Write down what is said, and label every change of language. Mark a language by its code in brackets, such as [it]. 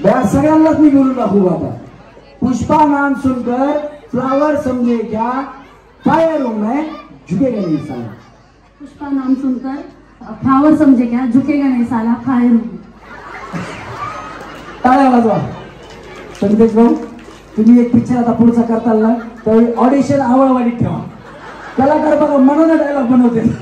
[mr] सगळ्यांनाच मी घेऊन दाखवू आता। [hi] पुष्पा नाम सुनकर फ्लावर समजे क्या? फायर हूं मैं, झुकेगा नहीं साला। पुष्पा नाम सुनकर फ्लावर समझे क्या? झुकेगा नहीं साला, फायर हूं। [mr] टाळ्या वाजवा संदेश भाऊ। तुम्ही एक पिक्चर आता पुढचा करताल ना, तर ऑडिशन आवळवाडीत ठेवा, कलाकार बघा म्हणून डायलॉग बनवते।